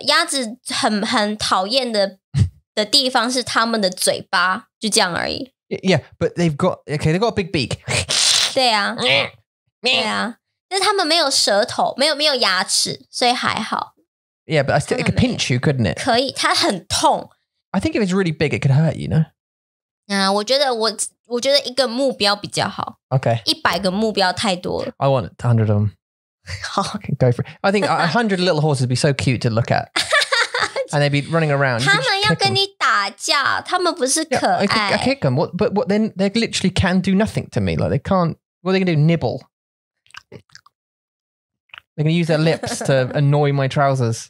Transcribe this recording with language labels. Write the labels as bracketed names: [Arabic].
[Chinese] 鸭子很讨厌的地方是他们的嘴巴。就这样而已。 [English] Yeah, but they've got... Okay, they've got a big beak. [Chinese] 对啊。对啊。但是他们没有舌头，没有牙齿，所以还好。 [English] Yeah, but I still, it could pinch you, couldn't it? [Chinese] 可以，它很痛。 [English] I think if it's really big, it could hurt you, no? [Chinese] 我觉得一个目标比较好。 [English] Okay. [Chinese] 100个目标太多了。 [English] I want 100 of them. [Chinese] 好。 [English] Go for it. I think 100 little horses would be so cute to look at. And they'd be running around. [Chinese] 他们要跟你打架，他们不是可爱。 [English] Yeah, I kick them, but then they literally can do nothing to me. Like, they can't, what are they going to do, nibble? They're going to use their lips to annoy my trousers.